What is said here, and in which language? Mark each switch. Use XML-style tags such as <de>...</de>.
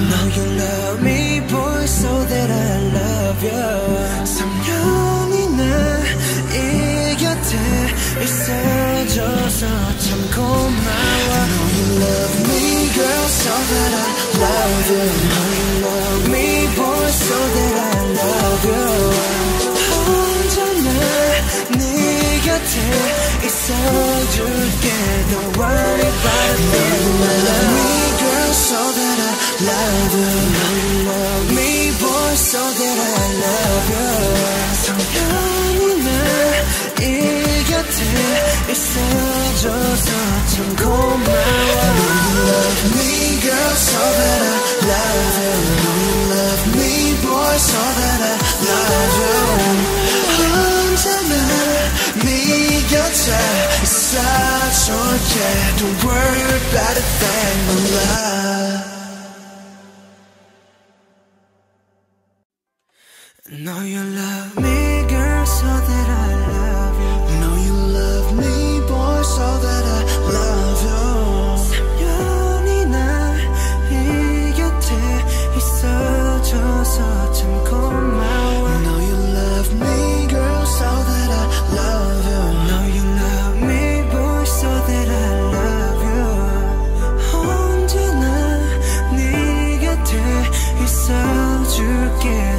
<en>Now you love me, boy, so that I love you.</en> <ko>3년이나 이 곁에 있어줘서 참 고마워.</ko> <en>Now you love me, girl, so that I love you. Now you love me, boy, so that I love you.</en> <ko>언제나 네 곁에 있어줄게.</ko> <en>Don't worry about it. Now you love me, girl, so that I love you. Now you love me, boy, so that I love you.</en> <ko>3년이나 이 곁에 있어줘서 참 고마워.</ko> <en>Now you love me, girl, so that I love you. Now you love me, boy, so that I love you.</en> <ko>언제나 네 곁에 있어줄게.</ko> <en>Don't worry about a thing, my love. Now you love me, girl, so that I love you. Now you love me, boy, so that I love you.</en> <ko>3년이나 이 곁에 있어줘서 참 고마워.</ko> <en>Now you love me, girl, so that I love you. Now you love me, boy, so that I love you.</en> <ko>언제나 네 곁에 있어줄게.</ko>